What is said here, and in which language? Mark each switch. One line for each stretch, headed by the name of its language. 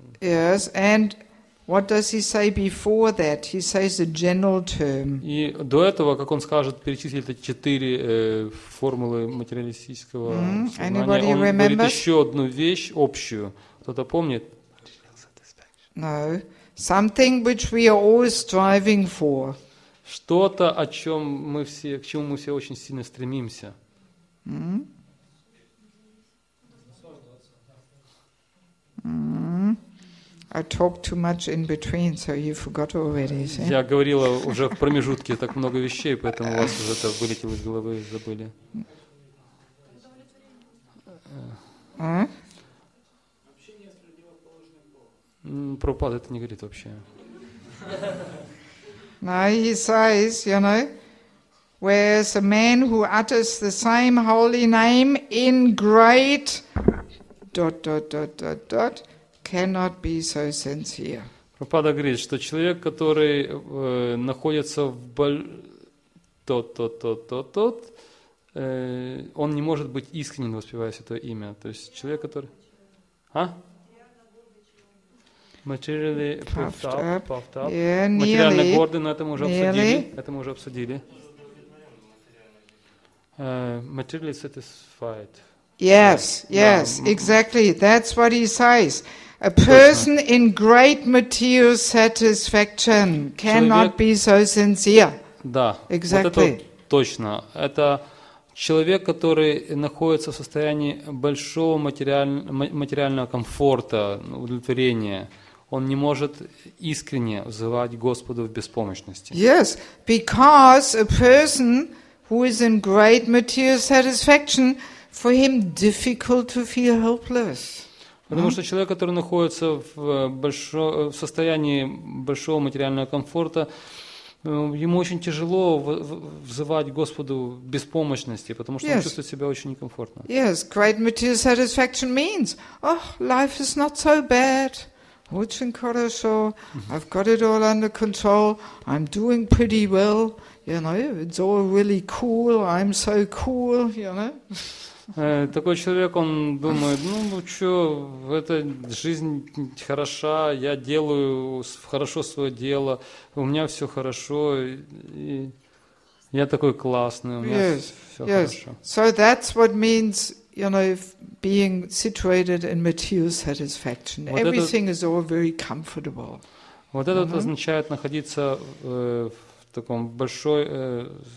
English: Yes, and what does he say before that? He says a general term.
Russian: И до этого, как он скажет, перечислить эти четыре формулы материалистического сознания, он говорит еще одну вещь общую. Кто-то помнит?
English: No. Something which we are always striving for.
Russian: Что-то, о чем мы все, к чему мы все очень сильно стремимся.
English: I talked too much in between, so you forgot already. See?
Russian: Я говорила уже в промежутке так много вещей, поэтому у вас уже это вылетело из головы и забыли. Пропад это не говорит вообще.
English: No, he says, you know, whereas a man who utters the same holy name in great dot dot dot dot dot cannot be so sincere.
Russian: Прабхупада говорит, что человек, который находится в он не может быть искренним, воспевая святое имя. То есть человек, который... А?
English: Materially puffed up. Yeah, nearly.
Russian: Материально гордый, но это мы уже обсудили.
English: Materially satisfied. Yes, yes, exactly. That's what he says. A person in great material satisfaction cannot be so sincere.
Russian: Да,
English: exactly.
Russian: Вот это точно. Это человек, который находится в состоянии большого материального комфорта, удовлетворения. Он не может искренне взывать Господу в беспомощности.
English: Yes, because a person who is in great material satisfaction, for him difficult to feel helpless.
Russian: Потому что человек, который находится в состоянии большого материального комфорта, ему очень тяжело взывать Господу беспомощности, потому что он чувствует себя очень некомфортно.
English: Yes, great material satisfaction means, oh, life is not so bad.
Russian: Очень хорошо.
English: I've got it all under control. I'm doing pretty well. You know, it's all really cool. I'm so cool. You know.
Russian: Такой человек, он думает, ну что, эта жизнь хороша, я делаю хорошо свое дело, у меня все хорошо, и я такой классный, у меня хорошо.
English: So that's what means, you know, being situated in material satisfaction. Вот everything is all very comfortable.
Russian: Вот это означает находиться в таком большой...